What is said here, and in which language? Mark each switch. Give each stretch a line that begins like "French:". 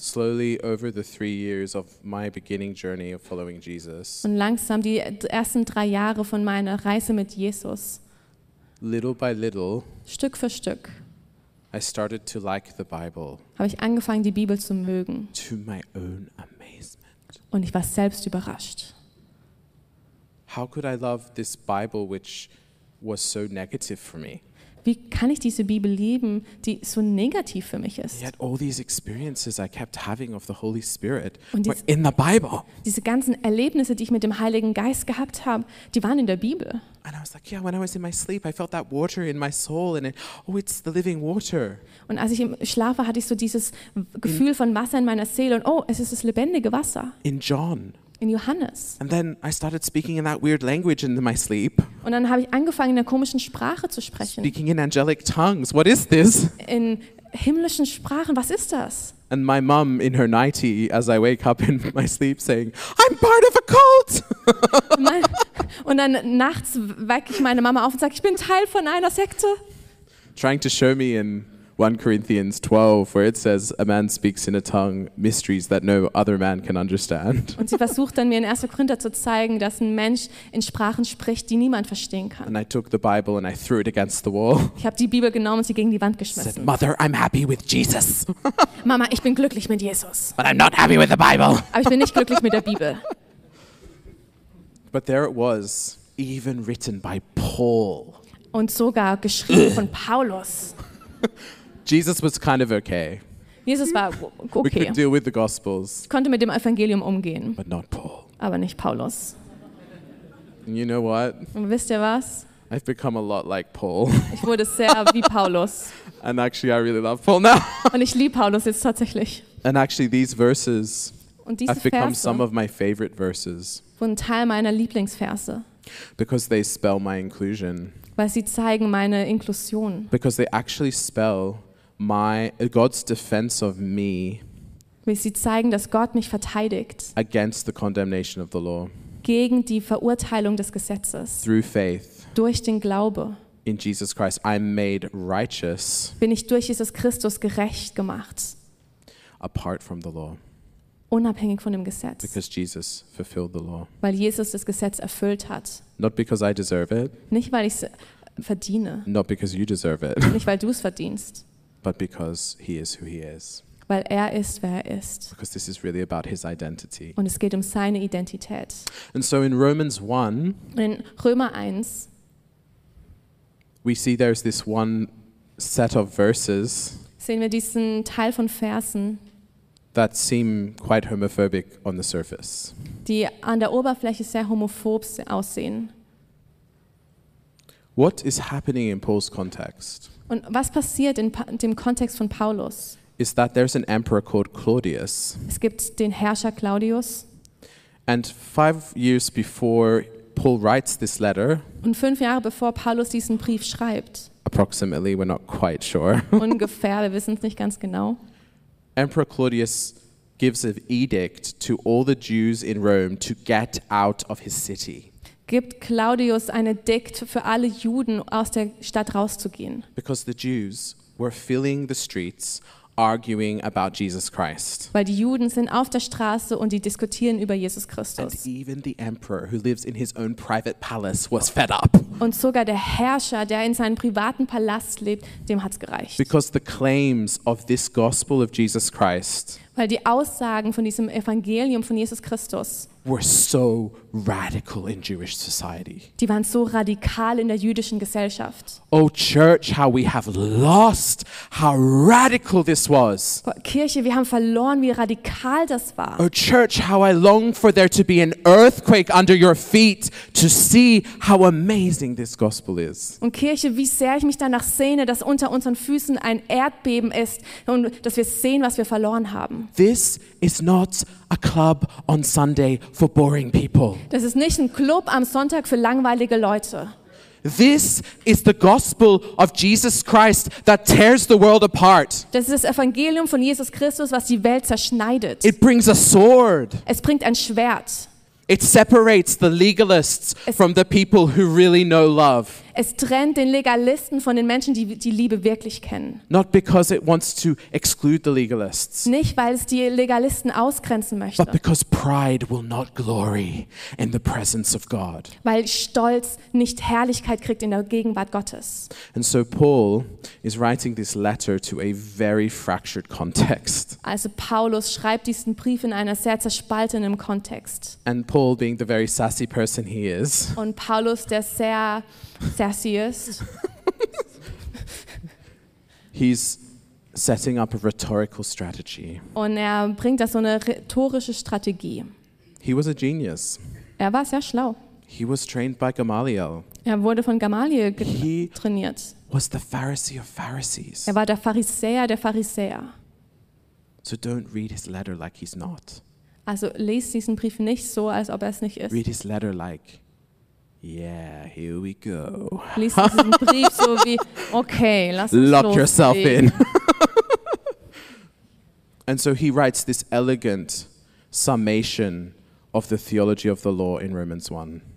English: Slowly over the 3 years of my beginning journey of following Jesus.
German: Und langsam die ersten 3 Jahre von meiner Reise mit Jesus.
English: Little by little.
German: Stück für Stück.
English: I started to like the Bible.
German: Habe ich angefangen, die Bibel zu mögen.
English: To my own amazement.
German: Und ich war selbst überrascht.
English: How could I love this Bible, which was so negative for me?
German: Wie kann ich diese Bibel lieben, die so negativ für mich ist?
English: Yet all these experiences I kept having of the Holy Spirit were in the Bible.
German: Diese ganzen Erlebnisse, die ich mit dem Heiligen Geist gehabt habe, die waren in der Bibel.
English: And I was like, yeah, when I was in my sleep, I felt that water in my soul, and it's the living water.
German: Und als ich im Schlaf war, hatte ich so dieses Gefühl von Wasser in meiner Seele und oh, es ist das lebendige Wasser.
English: In John.
German: In Johannes.
English: And then I started speaking in that weird language in my sleep.
German: Und dann habe ich angefangen, in einer komischen Sprache zu sprechen.
English: Speaking in angelic tongues. What is this?
German: In himmlischen Sprachen. Was ist das?
English: And my mom in her 90, as I wake up in my sleep, saying, I'm part of a cult!
German: Und dann nachts wecke ich meine Mama auf und sage, ich bin Teil von einer Sekte.
English: Trying to show me in 1 Corinthians 12, where it says, a man speaks in a tongue, mysteries that no other man can understand.
German: Und sie versucht dann mir in 1. Korinther zu zeigen, dass ein Mensch in Sprachen spricht, die niemand verstehen kann.
English: And I took the Bible and I threw it against the wall.
German: Ich habe die Bibel genommen und sie gegen die Wand geschmissen.
English: Said, Mother, I'm happy with Jesus.
German: Mama, ich bin glücklich mit Jesus.
English: But I'm not happy with the Bible.
German: Aber ich bin nicht glücklich mit der Bibel.
English: But there it was, even written by Paul.
German: Und sogar geschrieben von Paulus.
English: Jesus was kind of okay.
German: Jesus war okay.
English: We could deal with the Gospels.
German: Konnte mit dem Evangelium umgehen.
English: But not Paul.
German: Aber nicht Paulus.
English: And you know what?
German: Und wisst ihr was?
English: I've become a lot like Paul.
German: Ich wurde sehr wie Paulus.
English: And actually, I really love Paul now.
German: Und ich liebe Paulus jetzt tatsächlich.
English: And actually, these verses have become some of my favorite verses.
German: Wurden Teil meiner Lieblingsverse.
English: Because they spell my inclusion.
German: Weil sie zeigen meine Inklusion.
English: Because they actually spell my God's defense of me.
German: Weil sie zeigen, dass Gott mich verteidigt.
English: Against the condemnation of the law.
German: Gegen die Verurteilung des Gesetzes.
English: Through faith.
German: Durch den Glaube.
English: In Jesus Christ, I'm made righteous.
German: Bin ich durch Jesus Christus gerecht gemacht.
English: Apart from the law.
German: Unabhängig von dem Gesetz.
English: Because Jesus fulfilled the law.
German: Weil Jesus das Gesetz erfüllt hat.
English: Not because I deserve it.
German: Nicht weil ich es verdiene.
English: Not because you deserve it.
German: Nicht weil du es verdienst.
English: But because he is who he is.
German: Weil ist, wer ist.
English: Because this is really about his identity.
German: Und es geht seine Identität.
English: And so in Romans 1,
German: in Römer 1,
English: we see there's this one set of verses,
German: sehen wir diesen Teil von Versen,
English: that seem quite homophobic on the surface.
German: Die an der Oberfläche sehr homophob aussehen.
English: What is happening in Paul's context?
German: Und was passiert in dem Kontext von Paulus?
English: Is that there's an emperor called Claudius.
German: Es gibt den Herrscher Claudius.
English: And 5 years before Paul writes this letter.
German: Und 5 Jahre bevor Paulus diesen Brief schreibt.
English: Approximately, we're not quite sure.
German: Ungefähr, wir wissen es nicht ganz genau.
English: Emperor Claudius gives an edict to all the Jews in Rome to get out of his city.
German: Gibt Claudius ein Edikt für alle Juden aus der Stadt rauszugehen.
English: Because the Jews were filling the streets arguing about Jesus Christ.
German: Weil die Juden sind auf der Straße und die diskutieren über Jesus Christus.
English: And even the emperor who lives in his own private palace was fed up.
German: Und sogar der Herrscher, der in seinem privaten Palast lebt, dem hat's gereicht.
English: Because the claims of this gospel of Jesus Christ.
German: Weil die Aussagen von diesem Evangelium von Jesus Christus
English: were so radical in Jewish society.
German: Die waren so radikal in der jüdischen Gesellschaft.
English: Oh Church, how we have lost how radical this was.
German: Kirche, wir haben verloren, wie radikal das war.
English: Oh Church, how I long for there to be an earthquake under your feet to see how amazing this gospel is.
German: Und Kirche, wie sehr ich mich danach sehne, dass unter unseren Füßen ein Erdbeben ist und dass wir sehen, was wir verloren haben.
English: This is not a club on Sunday for boring people.
German: Das ist nicht ein Club am Sonntag für langweilige Leute.
English: This is the gospel of Jesus Christ that tears the world apart.
German: Das ist das Evangelium von Jesus Christus, was die Welt zerschneidet.
English: It brings a sword.
German: Es bringt ein Schwert.
English: It separates the legalists from the people who really know love.
German: Es trennt den Legalisten von den Menschen, die die Liebe wirklich kennen.
English: Not because it wants to exclude the legalists.
German: Nicht weil es die Legalisten ausgrenzen möchte.
English: But because pride will not glory in the presence of God.
German: Weil Stolz nicht Herrlichkeit kriegt in der Gegenwart Gottes.
English: And so Paul is writing this letter to a very fractured context.
German: Also Paulus schreibt diesen Brief in einer sehr zerspaltenen Kontext.
English: And Paul, being the very sassy person he is.
German: Und Paulus, der sehr Thessius.
English: He's setting up a rhetorical strategy.
German: Und er bringt da so eine rhetorische Strategie.
English: He was a genius.
German: Er war sehr schlau.
English: He was trained by Gamaliel.
German: Er wurde von Gamaliel trainiert.
English: He was the Pharisee of Pharisees.
German: Er war der Pharisäer der Pharisäer.
English: So don't read his letter like he's not.
German: Also lest diesen Brief nicht so, als ob er es nicht ist.
English: Read his letter like, yeah, here we go.
German: Lies diesen Brief so wie, okay, lass uns
English: lock yourself in. And so he writes this elegant summation of the theology of the law in Romans 1.